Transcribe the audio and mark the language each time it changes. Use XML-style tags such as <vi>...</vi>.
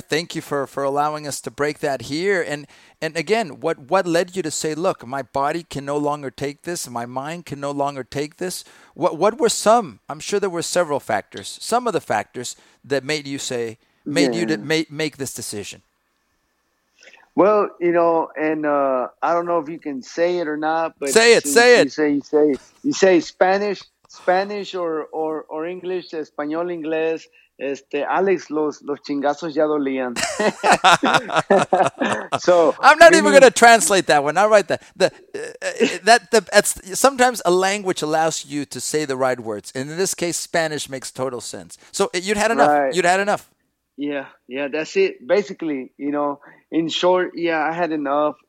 <en>Thank you for allowing us to break that here. And again, what led you to say, look, my body can no longer take this, my mind can no longer take this? What were some? I'm sure there were several factors. Some of the factors that made you say, make this decision. Well, you know, and I don't know if you can say it or not, but you say Spanish. Spanish or English,</en> <es>español, inglés, Alex, los chingazos ya dolían.</es> <en>So I'm not even going to translate that one. I'll write that. That's sometimes a language allows you to say the right words. And in this case, Spanish makes total sense. So you'd had enough. Right. You'd had enough. Yeah, that's it. Basically, you know, in short, I had enough.</en>